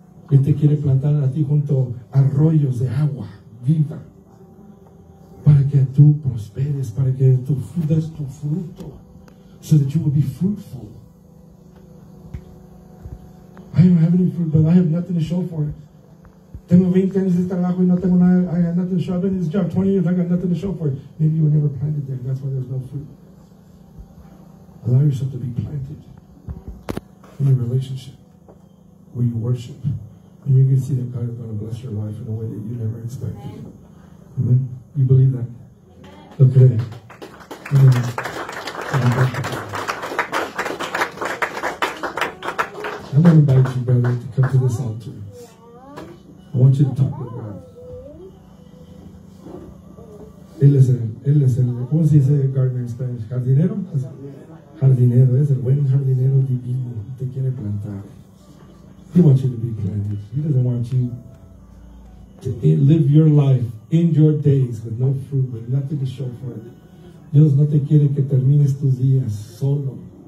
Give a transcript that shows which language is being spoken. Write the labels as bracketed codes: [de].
[es] Él te quiere plantar a ti junto a arroyos de agua viva para que tú prosperes, para que tú des tu fruto, [en] so that you will be fruitful. I don't have any fruit, but I have nothing to show for it. [es] Tengo 20 años de trabajo y no tengo nada. [en] I got nothing to show. I've been in this job 20 years. I got nothing to show for it. Maybe you were never planted there. That's why there's no fruit. Allow yourself to be planted in your relationship where you worship. And you're going to see that God is going to bless your life in a way that you never expected. Amen? You believe that? Okay. Amen. I'm going to invite you, brother, to come to this altar. I want you to talk with God. [es] Él es el, ¿cómo se dice gardener en Spanish? ¿Jardinero? Jardinero, es el buen jardinero divino. Te quiere plantar. [en] He wants you to be planted. He doesn't want you to live your life, end your days with no fruit, with nothing to show for it. [es] Dios no te quiere que termines tus días solo.